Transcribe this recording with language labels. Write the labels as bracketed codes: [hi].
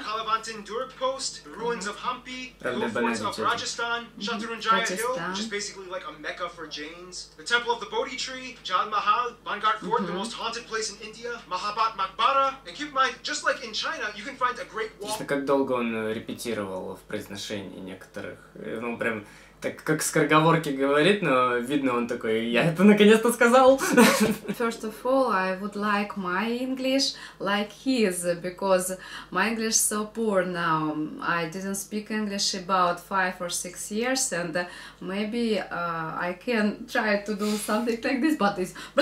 [en] Kalabantan Durg post, the ruins of Hampi, the ruins of Rajasthan, Chaturanjaya Hill, which is basically like a Mecca for Jains, the Temple of the Bodhi Tree, Jal Mahal, Bangar Fort, the most haunted place in India, Mahabad Makbara, and keep in mind, just like in China, you can find a great wall. [ru] Это как долго он репетировал в произношении некоторых, ну прям так как скороговорки говорит, но видно он такой, я это наконец-то сказал. [en] First of all, I would like my English like his, because my English so poor now. I didn't speak English about 5 or 6 years, and maybe I can try to do something like this, but it's...